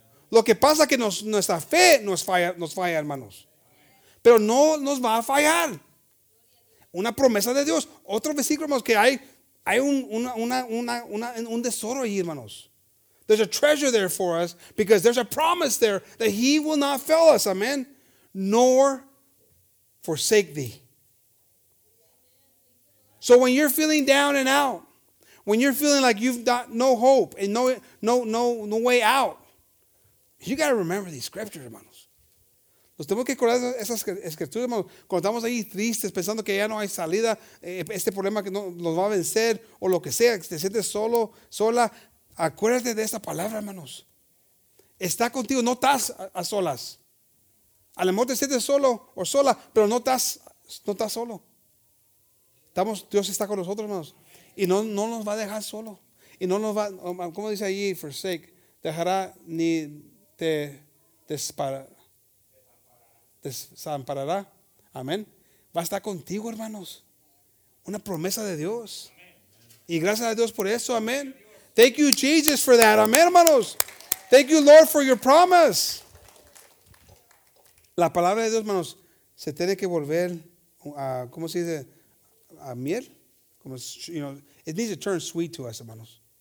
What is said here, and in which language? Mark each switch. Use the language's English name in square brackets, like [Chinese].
[Spanish] Lo que pasa es que nuestra fe nos falla, hermanos. Pero no nos va a fallar. Una promesa de Dios. Otro versículo, hermanos, que hay un tesoro ahí, hermanos. [English] There's a treasure there for us because there's a promise there that he will not fail us, amen, nor forsake thee. So when you're feeling down and out, when you're feeling like you've got no hope and no way out, you got to remember these scriptures, hermanos. [Spanish] Nos tenemos que acordar esas escrituras, hermanos. Cuando estamos ahí tristes, pensando que ya no hay salida, este problema que no nos va a vencer o lo que sea, te sientes solo, sola, acuérdate de esta palabra, hermanos. Está contigo, no estás a solas. A lo mejor te sientes solo o sola, pero no estás solo. Estamos, Dios está con nosotros, hermanos. Y no nos va a dejar solo. Y no nos va, como dice allí, forsake, dejará ni te desamparará. Amén. Va a estar contigo, hermanos. Una promesa de Dios. Y gracias a Dios por eso, amén. [English] Thank you, Jesus, for that. [Spanish] Amén, hermanos. [English] Thank you, Lord, for your promise. [Spanish] La palabra de Dios, hermanos, se tiene que volver a, ¿cómo se dice? A miel. [English] Como, you know, it needs to turn sweet to us, hermanos.